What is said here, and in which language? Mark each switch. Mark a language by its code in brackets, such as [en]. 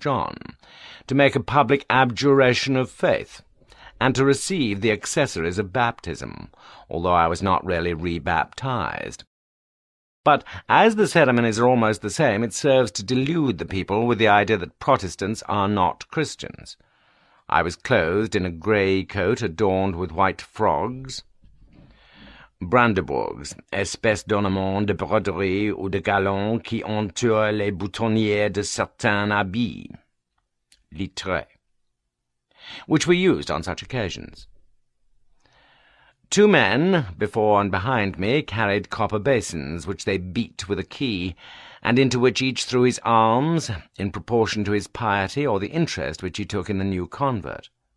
[en] John, to make a public abjuration of faith, and to receive the accessories of baptism, although I was not really re-baptized. But as the ceremonies are almost the same, it serves to delude the people with the idea that Protestants are not Christians. I was clothed in a grey coat adorned with white frogs. [fr] Brandebourgs, espèces d'ornements de broderie ou de galons qui entourent les boutonnières de certains habits. Litrées. [en] Which were used on such occasions. Two men, before and behind me, carried copper basins, which they beat with a key, and into which each threw his alms, in proportion to his piety or the interest which he took in the new convert.